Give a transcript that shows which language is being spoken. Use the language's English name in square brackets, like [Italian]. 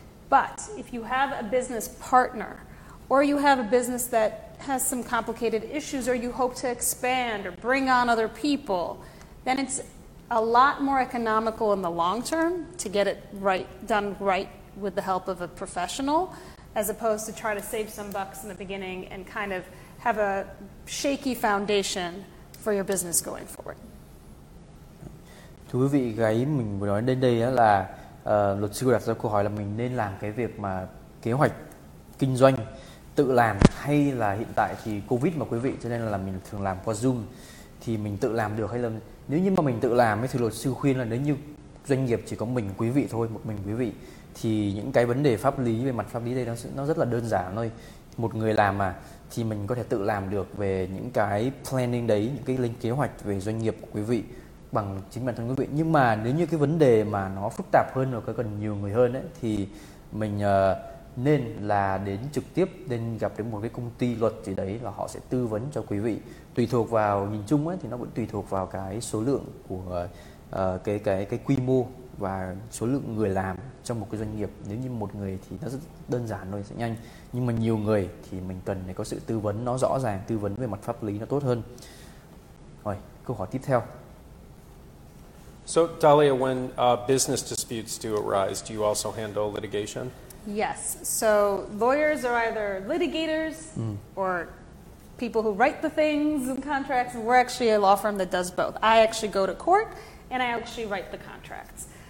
[English] But if you have a business partner, or you have a business that has some complicated issues, or you hope to expand or bring on other people, then it's a lot more economical in the long term to get it right, done right with the help of a professional, as opposed to try to save some bucks in the beginning and kind of have a shaky foundation for your business going forward. [Vietnamese] Thưa quý vị, cái mình vừa nói đến đây là luật sư đặt ra câu hỏi là mình nên làm cái việc mà kế hoạch kinh doanh tự làm, hay là hiện tại thì Covid mà quý vị, cho nên là mình thường làm qua Zoom, thì mình tự làm được hay là nếu như mà mình tự làm thì luật sư khuyên là nếu như doanh nghiệp chỉ có mình quý vị thôi, một mình quý vị, thì những cái vấn đề pháp lý, về mặt pháp lý đây nó rất là đơn giản thôi. Một người làm mà thì mình có thể tự làm được về những cái planning đấy, những cái lên kế hoạch về doanh nghiệp của quý vị bằng chính bản thân quý vị. Nhưng mà nếu như cái vấn đề mà nó phức tạp hơn và cần nhiều người hơn ấy, thì mình nên là đến trực tiếp, nên gặp đến một cái công ty luật gì đấy và họ sẽ tư vấn cho quý vị. Tùy thuộc vào, nhìn chung ấy, thì nó vẫn tùy thuộc vào cái số lượng của cái quy mô và số lượng người làm trong một cái doanh nghiệp. Nếu như một người thì nó rất đơn giản thôi, sẽ nhanh. Nhưng mà nhiều người thì mình cần phải có sự tư vấn nó rõ ràng, tư vấn về mặt pháp lý nó tốt hơn. Rồi, câu hỏi tiếp theo. [English] So, Dahlia, when business disputes do arise, do you also handle litigation? Yes. So, lawyers are either litigators or people who write the things and contracts. We're actually a law firm that does both. I actually go to court and I actually write the contracts.